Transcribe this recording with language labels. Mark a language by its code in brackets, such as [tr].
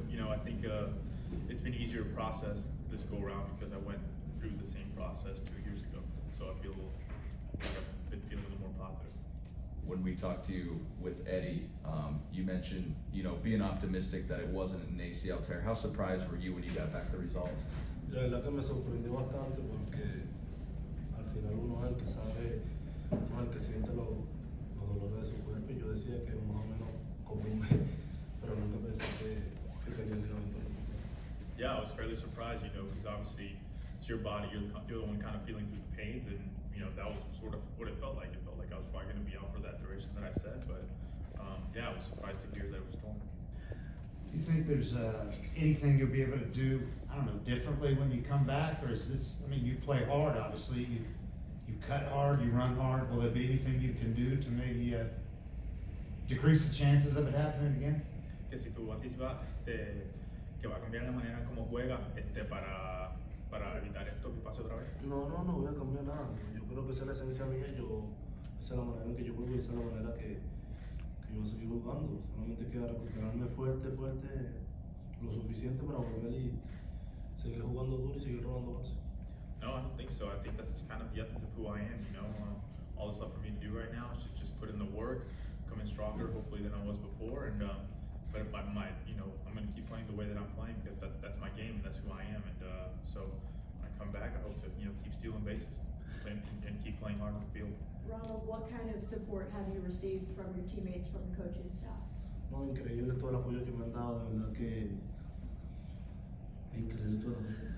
[en] You know, I think it's been easier to process this go around because I went through the same process 2 years ago. So I feel a little, I've been feeling a little more positive. When we talked to you with Eddie, you mentioned, you know, being optimistic that it wasn't an ACL tear. How surprised were you when you got back the results? [es] La verdad que me sorprendió bastante porque al final uno es el que sabe, uno es el que siente los dolores de su cuerpo. Yo decía que es más o menos común, pero nunca pensé que tenía el ligamento roto. [en] Yeah, I was fairly surprised, you know, because obviously it's your body, you're the one kind of feeling through the pains, and you know, that was sort of what it felt like. It felt like I was probably going to be out for that duration that I said, but yeah, I was surprised to hear that it was torn. Do you think there's anything you'll be able to do, I don't know, differently when you come back? Or is this, I mean, you play hard, obviously. You cut hard, you run hard. Will there be anything you can do to maybe decrease the chances of it happening again? [es] Que si tú anticipas que va a cambiar la manera como juega para evitar esto que pase otra vez. No voy a cambiar nada. Yo creo que esa es la esencia mía. Esa es la manera en que yo juego y esa es la manera que yo voy a seguir jugando. Solamente queda recuperarme fuerte, lo suficiente para volver y seguir jugando duro y seguir robando base. [en] No, I don't think so. I think that's kind of the essence of who I am. You know, all the stuff for me to do right now is just put in the work, coming stronger, hopefully, than I was before. And but if I might, you know, I'm going to keep playing the way that I'm playing because that's my game and that's who I am. And so when I come back, I hope to, you know, keep stealing bases and keep playing hard on the field. Ronald, what kind of support have you received from your teammates, from coaching staff? [es] No, increíble todo el apoyo que me han dado, de verdad que increíble todo el apoyo.